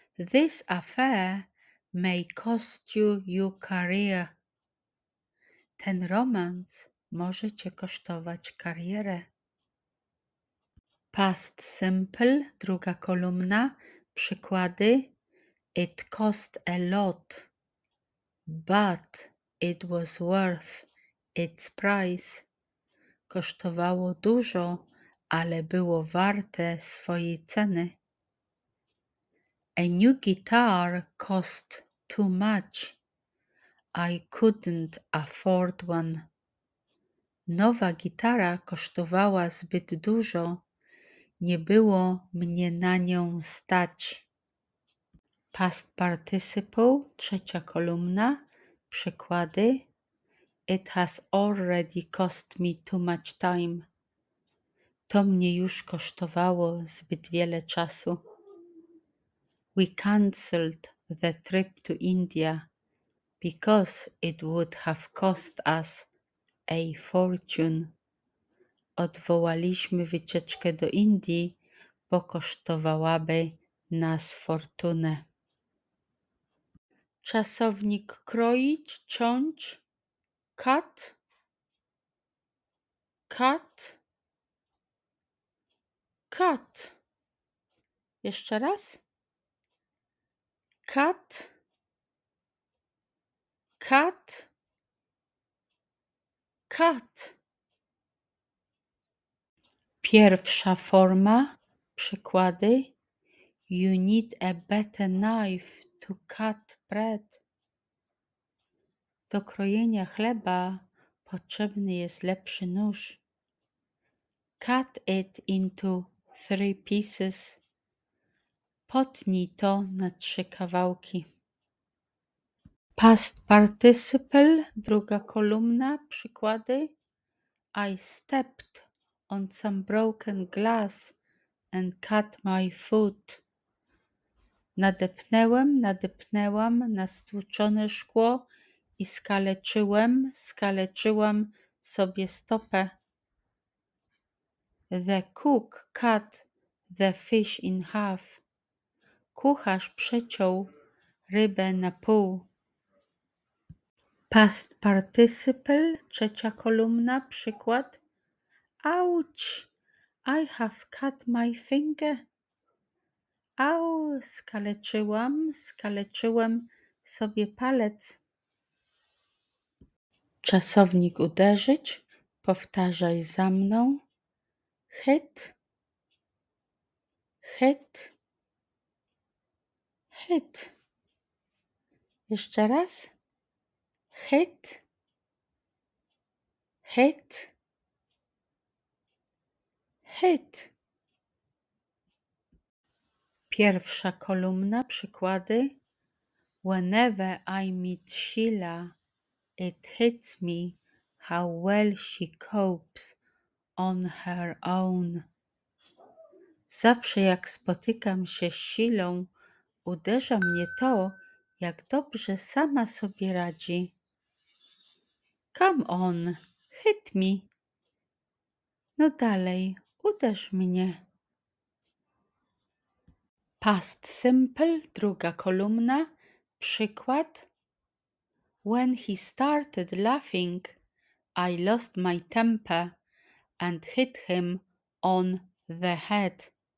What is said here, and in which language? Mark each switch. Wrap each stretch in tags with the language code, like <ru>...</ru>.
<en>This affair may cost you your career.</en> <pl>Ten romans może cię kosztować karierę. Past simple, druga kolumna, przykłady.</pl> <en>It cost a lot, but it was worth its price.</en> <pl>Kosztowało dużo, ale było warte swojej ceny.</pl> <en>A new guitar cost too much. I couldn't afford one.</en> <pl>Nowa gitara kosztowała zbyt dużo. Nie było mnie na nią stać. Past participle, trzecia kolumna, przykłady.</pl> <en>It has already cost me too much time.</en> <pl>To mnie już kosztowało zbyt wiele czasu.</pl> <en>We cancelled the trip to India because it would have cost us a fortune.</en> <pl>Odwołaliśmy wycieczkę do Indii, bo kosztowałaby nas fortunę. Czasownik kroić, ciąć, cut, cut, cut. Jeszcze raz.</pl> <en>Cut, cut, cut.</en> <pl>Pierwsza forma, przykłady.</pl> <en>You need a better knife to cut bread.</en> <pl>Do krojenia chleba potrzebny jest lepszy nóż.</pl> <en>Cut it into three pieces.</en> <pl>Potnij to na trzy kawałki. Past participle, druga kolumna, przykłady.</pl> <en>I stepped on some broken glass and cut my foot.</en> <pl>Nadepnęłam na stłuczone szkło i skaleczyłam sobie stopę.</pl> <en>The cook cut the fish in half.</en> <pl>Kucharz przeciął rybę na pół. Past participle, trzecia kolumna, przykład.</pl> <en>Ouch, I have cut my finger.</en> <pl>Au, skaleczyłem sobie palec. Czasownik uderzyć, powtarzaj za mną.</pl> <en>Hit, hit, hit.</en> <pl>Jeszcze raz.</pl> <en>Hit, hit, hit.</en> <pl>Pierwsza kolumna, przykłady.</pl> <en>Whenever I meet Sheila, it hits me how well she copes on her own.</en> <pl>Zawsze jak spotykam się z Sheilą, uderza mnie to, jak dobrze sama sobie radzi.</pl> <en>Come on, hit me.</en> <pl>No dalej, uderz mnie. Past simple, druga kolumna, przykład.</pl> <en>When he started laughing, I lost my temper and hit him on the head.</en>